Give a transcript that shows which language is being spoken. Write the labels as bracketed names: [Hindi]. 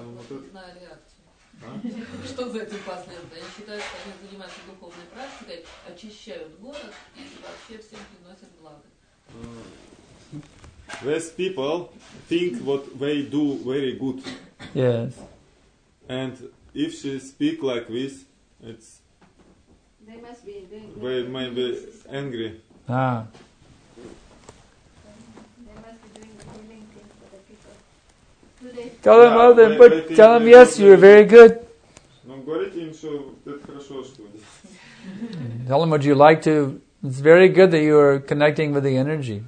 [Russian] Что за этим последовательно? Я считаю, что они занимаются духовной практикой, очищают город и вообще всем приносят благо. [English] These people think what they do very good. Yes. And if she speak like this, it's... They must be... They may be angry. Ah. They must be doing healing things for the people. Tell them, but tell them, yes, you are very good. [Russian] Но говорите им, что это хорошо, что... [English] Tell them what you like to... It's very good that you are connecting with the energy.